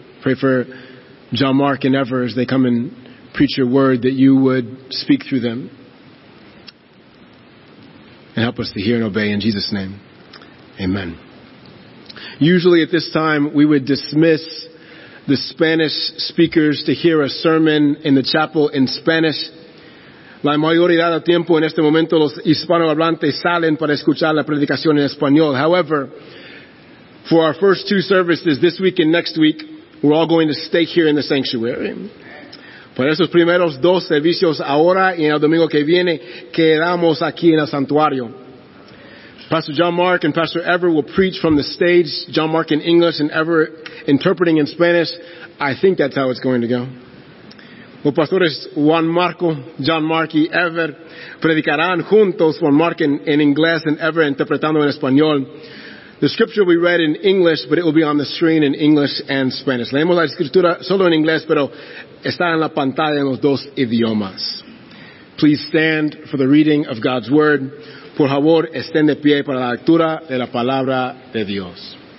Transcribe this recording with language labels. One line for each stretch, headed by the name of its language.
English: Pray for John Mark and Ever as they come and preach your word, that you would speak through them. And help us to hear and obey in Jesus' name. Amen. Usually at this time, we would dismiss the Spanish speakers to hear a sermon in the chapel in Spanish.
Spanish: La mayoría del tiempo en este momento los hispanohablantes salen para escuchar la predicación en español.
English: However, for our first two services, this week and next week, we're all going to stay here in the sanctuary.
Spanish: Para esos primeros dos servicios ahora y el domingo que viene, quedamos aquí en el santuario.
English: Pastor John Mark and Pastor Ever will preach from the stage, John Mark in English and Ever interpreting in Spanish. I think that's how it's going to go.
Spanish: Los pastores Juan Marco, John Mark y Ever predicarán juntos, Juan Mark in inglés and Ever interpretando en español.
English: The scripture will be read in English, but it will be on the screen in English and Spanish.
Spanish: Leemos la escritura solo en inglés, pero está en la pantalla en los dos idiomas.
English: Please stand for the reading of God's word.
Spanish: Por favor, estén de pie para la lectura de la palabra de Dios.